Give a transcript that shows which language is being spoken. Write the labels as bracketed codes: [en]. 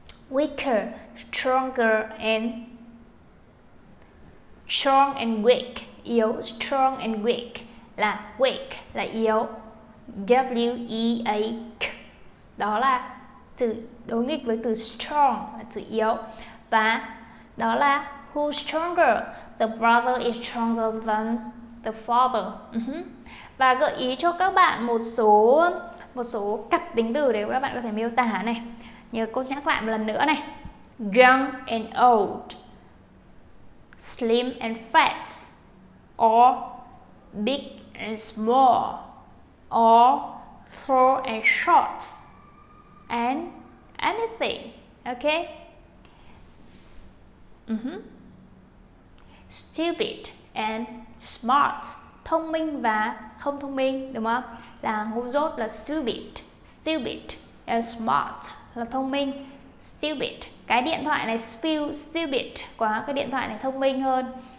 [en] Weaker, strong and weak, [vi] yếu, [en] strong and weak [vi] là yếu, [en] W-E-A-K, [vi] đó là từ đối nghịch với từ [en] strong [vi] là từ yếu, và đó là [en] who's stronger, the brother is stronger than the father. [vi] Và gợi ý cho các bạn một số cặp tính từ để các bạn có thể miêu tả này. Như cô nhắc lại một lần nữa này. [en] Young and old, slim and fat, or big and small, or tall and short, and anything. Okay? Stupid and smart, [vi] thông minh và không thông minh, đúng không? Là ngu dốt là [en] stupid and smart [vi] là thông minh. Stupid, cái điện thoại này stupid quá, cái điện thoại này thông minh hơn.